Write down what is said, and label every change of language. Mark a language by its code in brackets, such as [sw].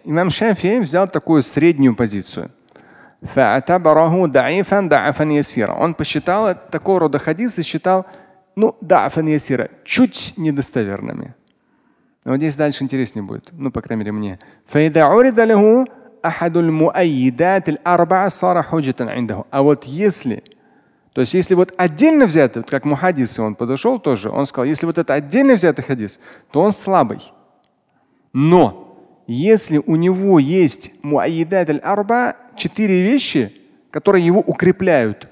[ru] إمام الشافعي взял такую среднюю позицию. [ar] فاعتبره ضعيفا ضعفا يسيرا. [ru] Он посчитал такого рода хадисы, считал, ну, [ar] ضعفا يسيرا, [ru] чуть недостоверными. Но вот здесь дальше интереснее будет, ну, по крайней мере, мне. [ar] فإذا عرض له أحد المؤيدات الأربعة صار حجة عنده. [ru] А вот если, то есть если вот отдельно взятый, вот как мухаддисы, он подошел тоже, он сказал, если вот это отдельно взятый хадис, то он слабый. Но если у него есть муайидат аль-арба, четыре вещи, которые его укрепляют.